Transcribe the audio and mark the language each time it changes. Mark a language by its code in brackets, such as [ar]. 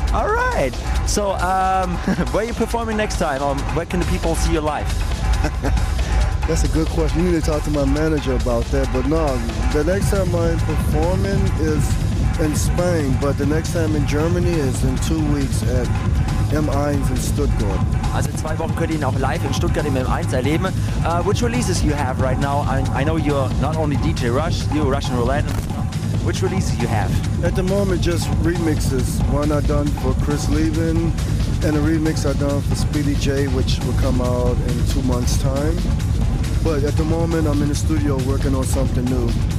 [en] All right. So where are you performing next time? Where can the people see you live? That's a good question. You need to talk to my manager about that. But no, the next time I'm performing is in Spain. But the next time in Germany is in 2 weeks at M1 in Stuttgart. [de] Also in 2 Wochen könnt ihr ihn auch live in Stuttgart im M1 erleben. [en] Which releases you have right now? I know you're not only DJ Rush, you're Russian Roulette. Which releases you have? At the moment, just remixes. One I done for Chris Levin, and a remix I done for Speedy J, which will come out in 2 months' time. But at the moment, I'm in the studio working on something new.